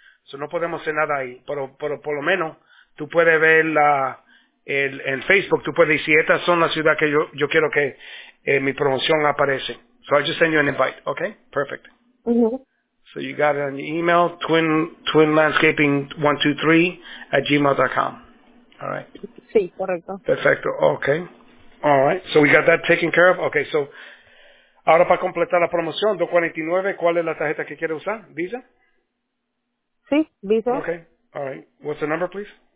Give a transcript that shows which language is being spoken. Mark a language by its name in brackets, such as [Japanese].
[Spanish] So no podemos hacer nada ahí, pero por lo menos tú puedes ver en Facebook, tú puedes decir, estas son las ciudades que yo quiero que mi promoción aparece. [English] So I just send you an invite, okay? Perfect. So you got it on your email, twinlandscaping123@gmail.com. All right. [Spanish] Sí, correcto. Perfecto, okay. [English] All right, so we got that taken care of. [Spanish] Okay, so ahora para completar la promoción, 249, ¿cuál es la tarjeta que quiere usar? ¿Visa? Sí, Visa. [English] Okay, all right. What's the number, please?